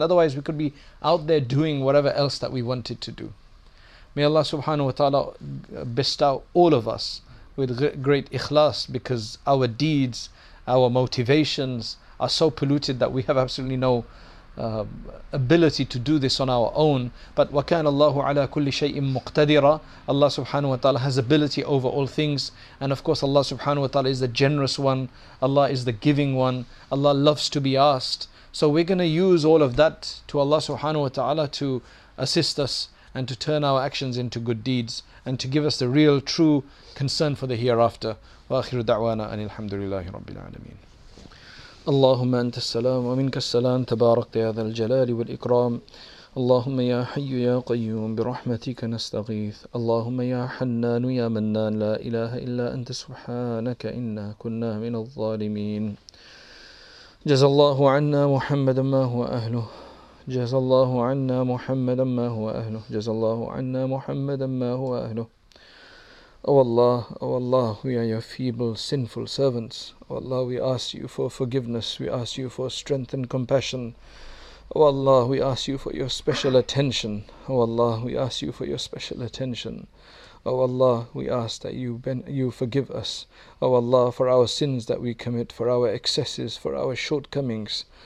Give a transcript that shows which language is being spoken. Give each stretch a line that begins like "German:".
English: Otherwise we could be out there doing whatever else that we wanted to do. May Allah subhanahu wa ta'ala bestow all of us with great ikhlas, because our deeds, our motivations are so polluted that we have absolutely no ability to do this on our own.
Arabic: But وَكَانَ اللَّهُ عَلَىٰ كُلِّ شَيْءٍ مُقْتَدِرًا.
English: Allah subhanahu wa ta'ala has ability over all things. And of course Allah subhanahu wa ta'ala is the generous one. Allah is the giving one. Allah loves to be asked. So we're going to use all of that to Allah subhanahu wa ta'ala to assist us and to turn our actions into good deeds and to give us the real true concern for the hereafter.
Arabic: وَآخِرُ دَعْوَانَا أَنِ الْحَمْدُ لِلَّهِ رَبِّ الْعَالَمِينَ. اللهم أنت السلام ومنك السلام تبارك يا ذا الجلال والإكرام. اللهم يا حي يا قيوم برحمتك نستغيث. اللهم يا حنان يا منان لا إله إلا أنت سبحانك إنا كنا من الظالمين. جزى الله عنا محمدا ما هو أهله. جزى الله عنا محمدا ما هو أهله. جزى الله عنا محمدا ما هو أهله.
English: Oh Allah, we are your feeble, sinful servants. Oh Allah, we ask you for forgiveness. We ask you for strength and compassion. Oh Allah, we ask you for your special attention. Oh Allah, we ask you for your special attention. Oh Allah, we ask that you forgive us. Oh Allah, for our sins that we commit, for our excesses, for our shortcomings.